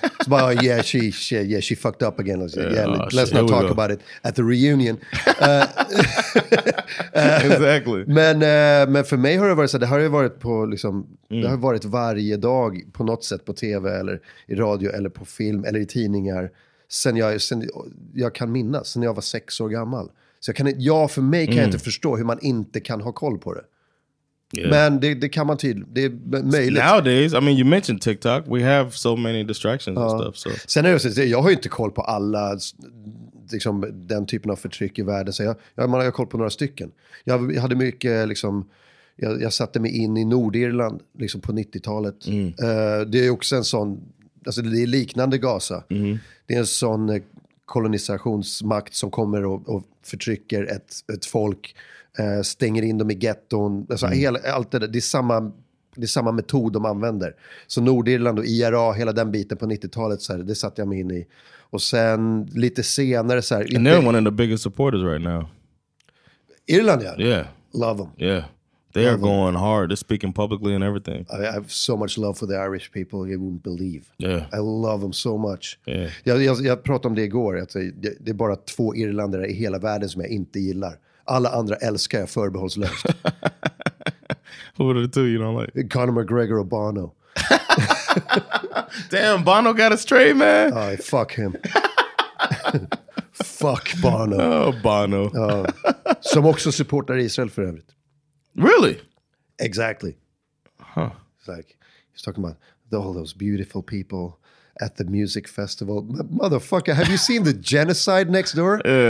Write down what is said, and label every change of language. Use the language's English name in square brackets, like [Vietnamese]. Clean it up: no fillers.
[English] It's about, oh, yeah, she fucked up again. Like, let's not talk about it at the reunion. exactly. [Swedish] Men för mig har det varit så. Det har ju varit på, liksom, det har varit varje dag på något sätt på TV eller i radio eller på film eller i tidningar sen jag kan minnas, sen jag var 6 år gammal. Så för mig kan jag inte förstå hur man inte kan ha koll på det. Yeah. Men det kan man tydligt. Det är möjligt. [English] Nowadays, I mean, you mentioned TikTok. We have so many distractions and stuff. So. [Swedish] Sen är det så, jag har ju inte koll på alla liksom, den typen av förtryck i världen. Så jag har koll på några stycken. Jag hade mycket, liksom, jag satte mig in i Nordirland liksom, på 90-talet. Mm. Det är också en sån, alltså, det är liknande Gaza. Mm. Det är en sån kolonisationsmakt som kommer och förtrycker ett folk. Stänger in dem i getton. Alltså allt det där. Det är samma metod de använder. Så Nordirland och IRA, hela den biten på 90-talet, så här, det satt jag mig in i. Och sen lite senare... Så här, [English] and they're one of the biggest supporters right now. [Swedish] Irland, ja. [English] Yeah. Love them. Yeah. They are going hard. They're speaking publicly and everything. I have so much love for the Irish people, you wouldn't believe. Yeah. I love them so much. Yeah. [Swedish] Jag pratade om det igår. Alltså, det är bara två irlandare i hela världen som jag inte gillar. Alla andra älskar jag förbehållslöst. [English] Who are the two you don't like? [Swedish] Conor McGregor och Bono. [English] Damn, Bono got a stray, man. Aj, fuck him. Fuck Bono. Oh, Bono. [Swedish] Som också supportar Israel för övrigt. [English] Really? Exactly. Huh. It's like, he's talking about all those beautiful people. at the music festival. Motherfucker, have you seen the genocide next door?